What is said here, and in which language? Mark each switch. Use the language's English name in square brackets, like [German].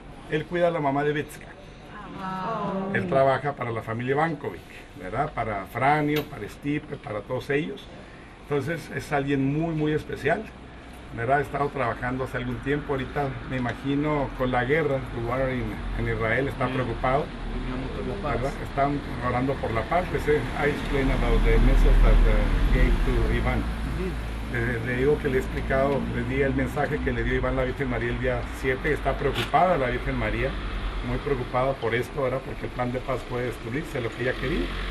[Spanish] Él cuida a la mamá de Betska. Oh. Él trabaja para la familia Bankovic, ¿verdad? Para Franio, para Stipe, para todos ellos. Entonces es alguien muy, muy especial, ¿verdad? He estado trabajando hace algún tiempo, ahorita me imagino con la guerra, en Israel está preocupado, ¿verdad? Están orando por la paz. [English] Pues, I explain about the message that gave to Iván. [Spanish] Le digo que le he explicado, le di el mensaje que le dio Iván la Virgen María el día 7, está preocupada la Virgen María, muy preocupada por esto, ¿verdad? Porque el plan de paz puede destruirse, lo que ella quería.